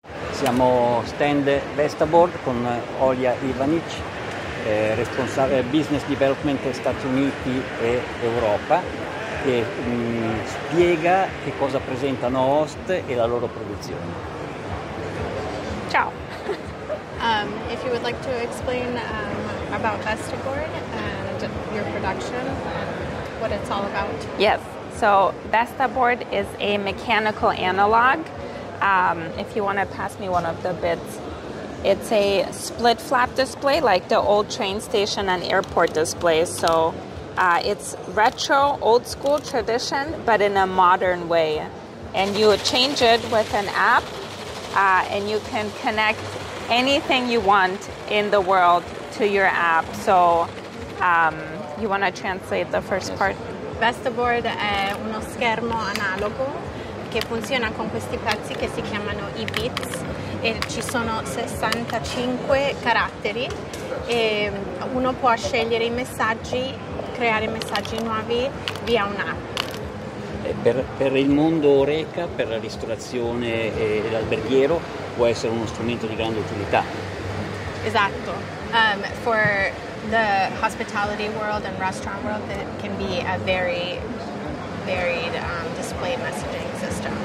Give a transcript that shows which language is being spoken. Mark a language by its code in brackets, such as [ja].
[it] siamo stand Vestaboard con Olia Ivanic, responsabile business development Stati Uniti e Europa, che spiega che cosa presentano Host e la loro produzione. Ciao! [en] If you would like to explain about Vestaboard and your production, what it's all about. Yes, so Vestaboard is a mechanical analog. If you want to pass me one of the bits, it's a split flap display like the old train station and airport displays. So it's retro, old school tradition, but in a modern way. And you change it with an app and you can connect anything you want in the world to your app. So you want to translate the first part? [it] Vestaboard è uno schermo analogo che funziona con questi pezzi che si chiamano i bits, e ci sono 65 caratteri e uno può scegliere i messaggi, creare messaggi nuovi via un'app. Per il mondo Horeca, per la ristorazione e l'alberghiero, può essere uno strumento di grande utilità. Esatto. [en] For the hospitality world and restaurant world, it can be a very varied display messaging system.